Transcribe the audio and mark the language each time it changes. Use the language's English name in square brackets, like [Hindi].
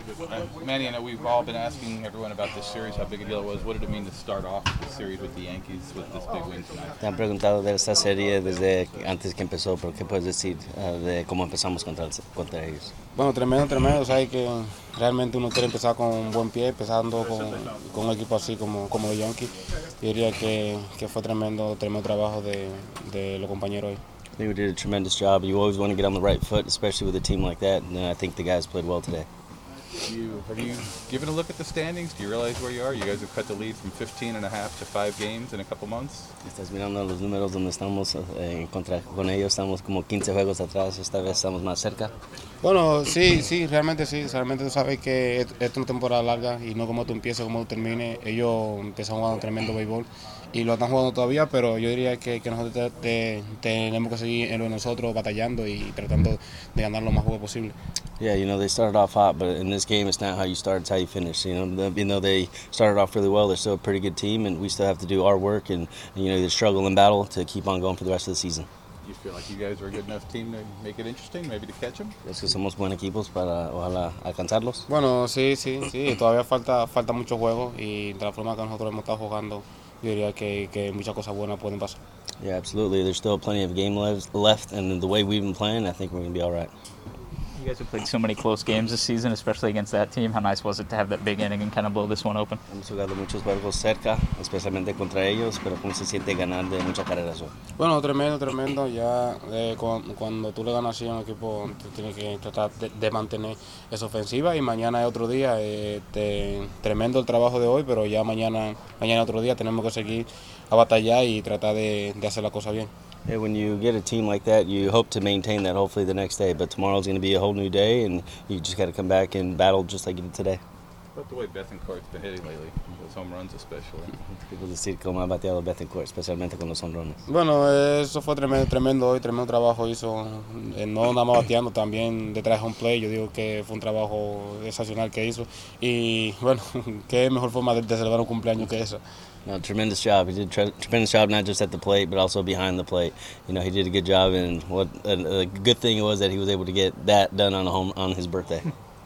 [English] And Manny, I know we've all been asking everyone about this series, how big a deal it was. What did it mean to start off the series with the Yankees with this big win tonight? [Spanish] Te han preguntado de esta serie desde antes que empezó, pero ¿qué puedes decir de cómo empezamos contra ellos? Bueno, tremendo. O sea, que realmente uno quiere empezar con un buen pie, empezando con un equipo así como los Yankees. Y diría que fue tremendo trabajo de los compañeros hoy. [English] I think we did a tremendous job. You always want to get on the right foot, especially with a team like that. And I think the guys played well today. Have you given a look at the standings? Do you realize where you are? You guys have cut the lead from 15.5 to 5 games in a couple months. [Spanish] Estás mirando los números donde estamos en contra con ellos. Estamos como 15 juegos atrás. Esta vez estamos más cerca. Bueno, sí, realmente sí. Realmente tú sabes que es una temporada larga y no como tú empieces, como tú termines. Ellos empezaron jugando tremendo béisbol y lo están jugando todavía, pero yo diría que nosotros tenemos que seguir en lo de nosotros batallando y tratando de ganar lo más juego posible. [English] Yeah, you know, they started off hot, but in this game, it's not how you start, it's how you finish. You know, even though they started off really well, they're still a pretty good team, and we still have to do our work and you know, the struggle and battle to keep on going for the rest of the season. You feel like you guys are a good enough team to make it interesting, maybe to catch them? [Spanish] Es que somos buen equipos para, ojalá, alcanzarlos. Bueno, sí. Todavía falta mucho juego, y de la forma que nosotros hemos estado jugando, yo diría que muchas cosas buenas pueden pasar. [English] Yeah, absolutely. There's still plenty of game left, and the way we've been playing, I think we're going to be all right. You guys have played so many close games this season, especially against that team. How nice was it to have that big inning and kind of blow this one open? [Spanish] Hemos jugado muchos juegos cerca, especialmente contra ellos, pero ¿cómo se siente ganar de muchas carreras hoy? Bueno, tremendo. Ya cuando tú le ganas así a un equipo, tienes que tratar de mantener esa ofensiva. Y mañana es otro día. Tremendo el trabajo de hoy, pero ya mañana otro día tenemos que seguir a batallar y tratar de hacer la cosa bien. [English] Yeah, when you get a team like that, you hope to maintain that hopefully the next day. But tomorrow's going to be a whole new day, and you just got to come back and battle just like you did today. About the way Bethencourt's been hitting lately, those home runs especially. [Spanish] People decir cómo ha bateado Bethencourt, especialmente con los home runs. Bueno, eso fue tremendo hoy, tremendo trabajo hizo. No nada más bateando, también detrás de un play. Yo digo que fue un trabajo excepcional que hizo. Y bueno, qué mejor forma de celebrar un cumpleaños que eso. [English] No, tremendous job. He did tremendous job not just at the plate, but also behind the plate. You know, he did a good job, and what a good thing it was that he was able to get that done on his birthday.